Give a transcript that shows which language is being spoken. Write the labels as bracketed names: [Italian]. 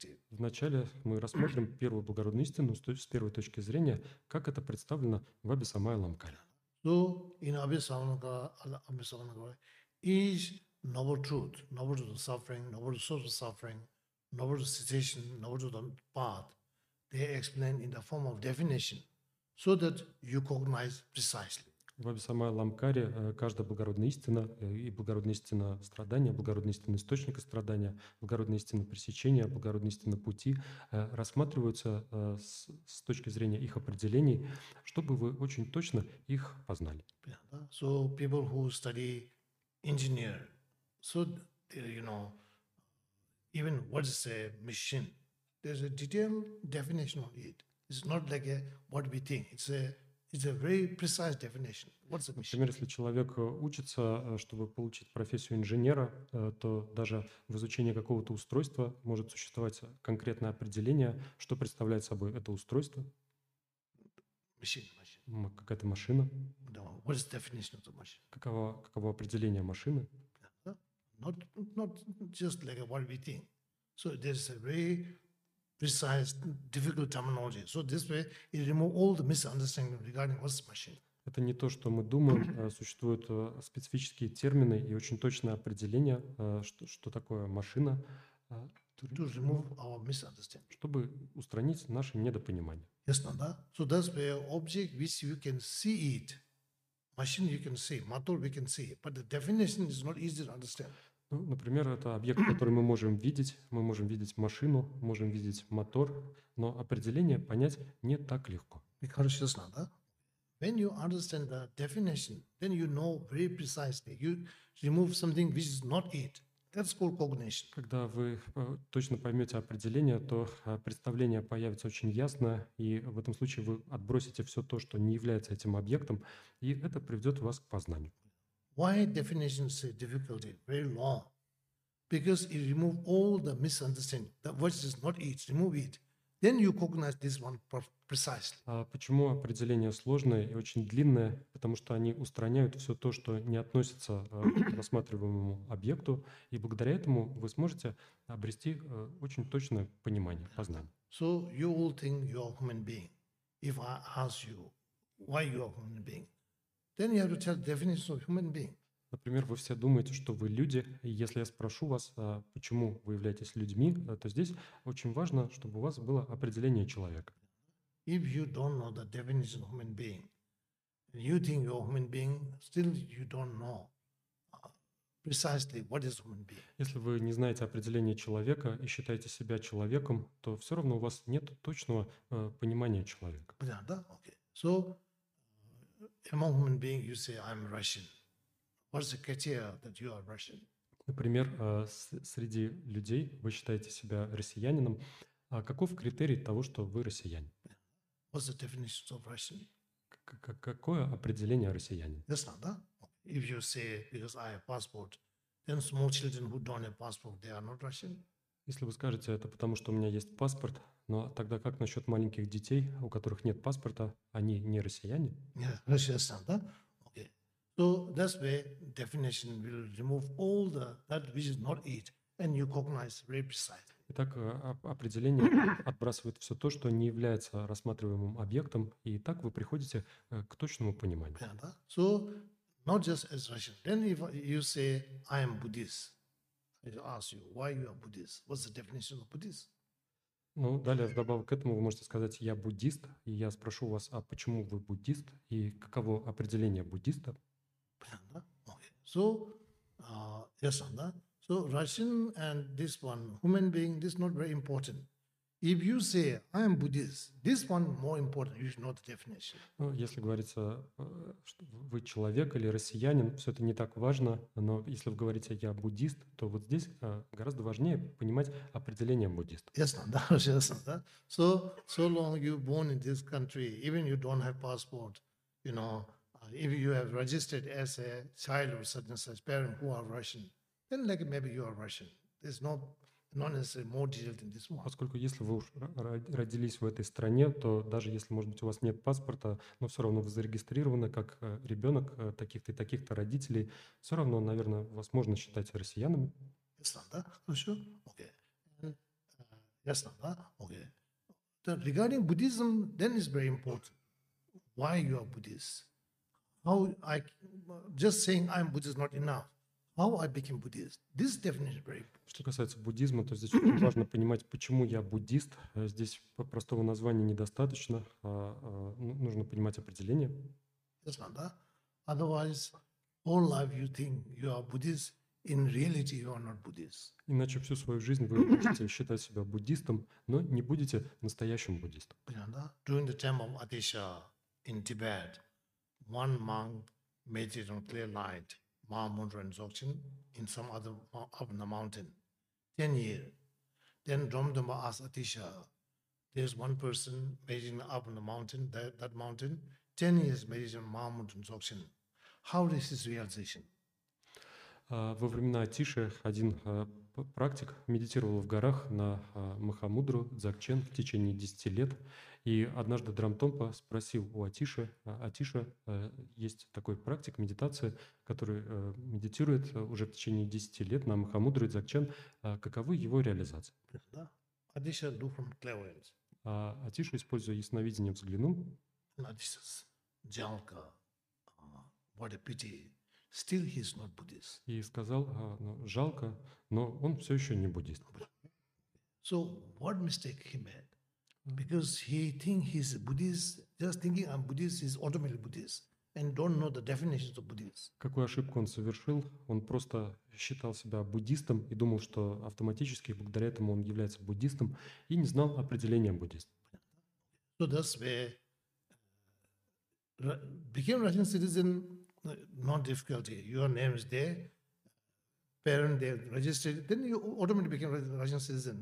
[Russian] Вначале мы рассмотрим первую благородную истину с первой точки зрения, как это представлено в Абхисамая Ламкале. [English] So in Abhisamaya Ламкале each novel truth of suffering, novel source of suffering, novel cessation, novel truth of path, they explain in the form of definition, so that you cognize precisely. [Russian] В Абхисамая Ламкаре каждая благородная истина, и благородная истина страдания, благородная истина источника страдания, благородная истина пресечения, благородная истина пути рассматриваются с точки зрения их определений, чтобы вы очень точно их познали. [English] So people who study engineer, so you know, even what is a machine, there's a detailed definition of it. It's not like what we think. It's a very precise definition. What's a machine? [Russian] Например, если человек учится, чтобы получить профессию инженера, то даже в изучении какого-то устройства может существовать конкретное определение, что представляет собой это устройство. [English] Machine. [Russian] Какая-то машина. [English] No. What is the definition of the machine? [Russian] Каково определение машины? [English] Not just like what we think. So there's a very precise, difficult terminology. So this way, it removes all the misunderstanding regarding what's machine. [Russian] Это не то, что мы думаем. Существуют специфические термины и очень точное определение, что такое машина. [English] To remove our misunderstanding. [Russian] Чтобы устранить наше недопонимание. [English] Yes, no, [Russian] да? [English] So that's where object which you can see it, machine you can see, motor we can see, but the definition is not easy to understand. [Russian] Ну, например, это объект, который мы можем видеть. Мы можем видеть машину, можем видеть мотор, но определение понять не так легко. [English] When you understand the definition, then you know very precisely. You remove something which is not it. That's called cognition. [Russian] Когда вы точно поймете определение, то представление появится очень ясно, и в этом случае вы отбросите все то, что не является этим объектом, и это приведет вас к познанию. [English] Why definition is a difficulty? Very long. Because it removes all the misunderstanding. That which is not it, remove it. Then you cognize this one precisely. [Russian] Почему определение сложное и очень длинное? Потому что они устраняют все то, что не относится к рассматриваемому объекту. И благодаря этому вы сможете обрести очень точное понимание, познание. [English] So you all think you are a human being. If I ask you why you are a human being, then you have to tell the definition of human being. [Russian] Например, вы все думаете, что вы люди. Если я спрошу вас, почему вы являетесь людьми, то здесь очень важно, чтобы у вас было определение человека. [English] If you don't know the definition of human being, and you think you're a human being, still you don't know precisely what is human being. [Russian] Если вы не знаете определение человека и считаете себя человеком, то все равно у вас нет точного понимания человека. Понятно, да? [English] Okay. So, among human beings, you say, I'm Russian. What's the criteria that you are Russian? [Russian] Например, среди людей вы считаете себя россиянином. А каков критерий того, что вы россиянин? [English] What's the definition of Russian? [Russian] Какое определение россиянин? [English] Yes, not, [Russian] да? [English] If you say, because I have passport, then small children who don't have passport, they are not Russian. [Russian] Если вы скажете, это потому, что у меня есть паспорт, но тогда как насчет маленьких детей, у которых нет паспорта, они не россияне? [English] Yeah, Russian, [Russian] да? [English] Okay. So that's where definition will remove all the that which is not it, and you cognize very precisely. [Russian] Итак, определение отбрасывает все то, что не является рассматриваемым объектом, и так вы приходите к точному пониманию. [English] Yeah, [Russian] да? [English] So, not just as Russian. Then if you say, I am Buddhist, I ask you, why you are Buddhist? What's the definition of Buddhist? [Russian] Ну, далее, вдобавок к этому, вы можете сказать, я буддист, и я спрошу вас, а почему вы буддист, и каково определение буддиста? Понятно, да? [English] Okay. So, yes, [Russian] да? [English] So, Russian and this one, human being, this is not very important. If you say, I am Buddhist, this one more important, you should know the definition. [Russian] Ну, если говорится, что вы человек или россиянин, все это не так важно, но если вы говорите, я буддист, то вот здесь гораздо важнее понимать определение буддист. Ясно, да, ясно, да. [English] So, so long you born in this country, even you don't have passport, you know, if you have registered as a child of certain such parent who are Russian, then like maybe you are Russian. There's no... Not necessarily more detailed than this one. [Russian] Поскольку если вы уж родились в этой стране, то даже если, может быть, у вас нет паспорта, но все равно вы зарегистрированы как ребенок таких-то и таких-то родителей, все равно, наверное, вас можно считать россиянами. Ясно, да? Хорошо? Окей. Ясно, да? Окей. [English] Then regarding Buddhism, then it's very important. Why you are Buddhist? How I... Just saying I'm Buddhist is not enough. How I became Buddhist? This definition is very important. [Russian] Что касается буддизма, то здесь очень важно понимать, почему я буддист. Здесь по простого названия недостаточно. Нужно понимать определение. [English] Yes, not, [Russian] да? [English] Otherwise, all life you think you are Buddhist, in reality you are not Buddhist. [Russian] Иначе всю свою жизнь вы будете считать себя буддистом, но не будете настоящим буддистом. Понятно, да? [English] During the time of Atisha in Tibet, one monk made it on clear light. Mahamudra and Dzogchen in some other up in the mountain, 10 years. Then Dromdomba asked Atisha, "There's one person meditating up in the mountain, that mountain, 10 years meditating Mahamudra and Dzogchen. How is his realization?" [Russian] Во времена Атиши один практик медитировал в горах на Махамудру Дзогчен в течение 10 лет. И однажды Драмтомпа спросил у Атиши, Атиша, есть такой практик медитации, который медитирует уже в течение 10 лет на Махамудру и Дзогчен, каковы его реализации? Атиша духом клевоэнс. Атиша, используя ясновидение, взглянул. [English] Атиша, [Russian] джалка, [English] what a pity, still he is not Buddhist. [Russian] И сказал, жалко, но он все еще не буддист. [English] So what mistake he made? Because he think he's a Buddhist, just thinking I'm Buddhist is automatically Buddhist, and don't know the definitions of Buddhist. [Russian] Какую ошибку он совершил? Он просто считал себя буддистом и думал, что автоматически благодаря этому он является буддистом и не знал определения буддист. [English] So that's where became Russian citizen, no difficulty. Your name is there, parent there registered, then you automatically became Russian citizen.